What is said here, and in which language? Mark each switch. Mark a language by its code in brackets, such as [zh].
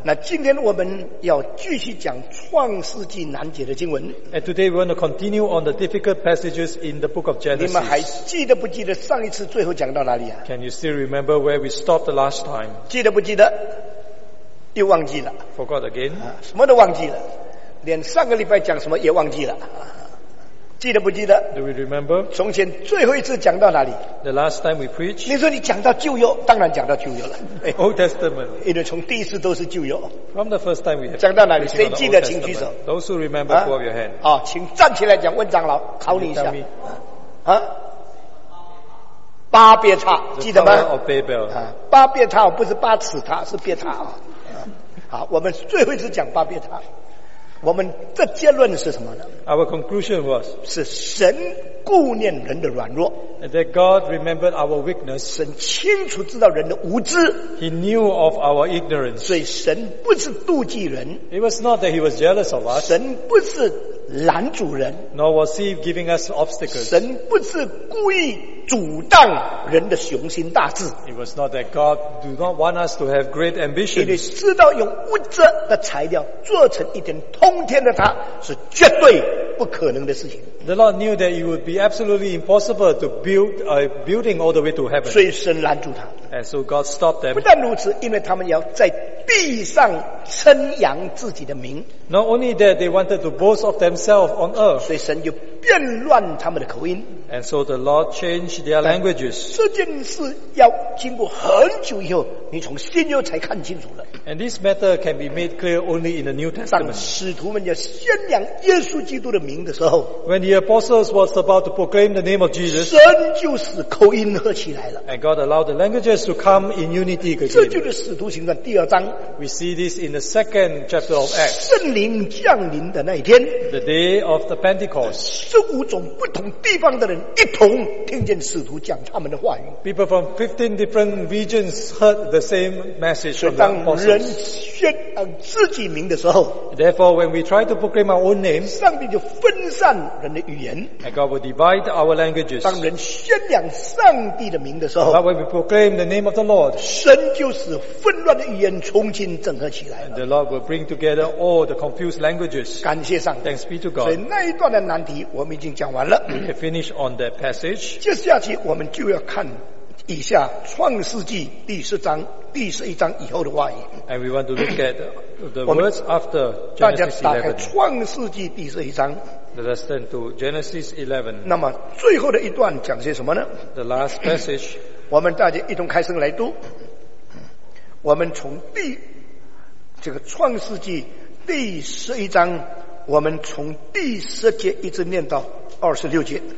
[zh] 那今天我们要继续讲创世纪难解的经文。 [en] And today we want to continue on the difficult passages in the book of Genesis. [zh] 你们还记得不记得上一次最后讲到哪里啊？ [en] Can you still remember where we stopped the last time? [zh] 记得不记得？又忘记了。 [en] Forgot again? [zh] 什么都忘记了，连上个礼拜讲什么也忘记了。记得不记得 [en] Do we remember? [zh] 从前最后一次讲到哪里 [en] The last time we preached [zh] 你说你讲到旧约当然讲到旧约了 [en] Old Testament [zh] 因为从第一次都是旧约 [en] From the first time we have [zh] 讲到哪里谁记得请举手 [en] Those who remember pull up your hand [zh] 好、啊、请站起来讲问长老考你一下、啊、巴别塔记得吗 [en] The Tower of Babel、 [zh] 啊、巴别塔不是巴尺塔是别塔、啊、好我们最后一次讲巴别塔我们的结论是什么呢 [en] Our conclusion was [zh] 是神顾念人的软弱 [en] That God remembered our weakness [zh] 神清楚知道人的无知 [en] He knew of our ignorance [zh] 所以神不是妒忌人 [en] It was not that he was jealous of us [zh] 神不是拦阻人 [en] Nor was he giving us obstacles [zh] 神不是故意阻挡人的雄心大志 [en] It was not that God do not want us to have great ambitions [zh] 因为知道用物质的材料做成一点通天的塔是绝对不可能的事情 [en] The Lord knew that it would be absolutely impossible to build a building all the way to heaven [zh] 所以神拦阻他 [en] And so God stopped them [zh] 不但如此因为他们要在地上称扬自己的名 [en] Not only that they wanted to boast of themselves on earth [zh] 所以神就变乱他们的口音 [en] And so the Lord changed their languages [zh] 这件事要经过很久以后你从新约才看清楚了 [en] And this matter can be made clear only in the New Testament [zh] 当使徒们要宣扬耶稣基督的名的时候 [en] When the apostles was about to proclaim the name of Jesus [zh] 神就使口音合起来了 [en] And God allowed the languages to come in unity again [zh] 这就是使徒行传第二章 [en] We see this in the second chapter of Acts [zh] 圣灵降临的那一天 [en] The day of the Pentecost [zh] 是五种不同地方的人一同听见使徒讲他们的话语 [en] People from 15 different regions heard the same message from the apostles [zh] 所以当人宣扬自己名的时候 [en] Therefore when we try to proclaim our own name [zh] 上帝就分散人的语言 [en] And God will divide our languages [zh] 当人宣扬上帝的名的时候 [en] But when we proclaim the name of the Lord [zh] 神就使纷乱的语言重新整合起来 [en] And the Lord will bring together all the confused languages [zh] 感谢上帝 [en] Thanks be to God [zh] 所以那一段的难题我们已经讲完了 [en] We have finished on that passage [zh] 接下去我们就要看以下创世纪第十章第十一章以后的话语 [en] And we want to look at the words after Genesis 11 [zh] 大家打开创世纪第十一章 [en] Let us turn to Genesis 11 [zh] 那么最后的一段讲些什么呢 [en] The last passage [zh] 我们大家一同开声来读我们从第这个创世纪第十一章我们从第十节一直念到二十六节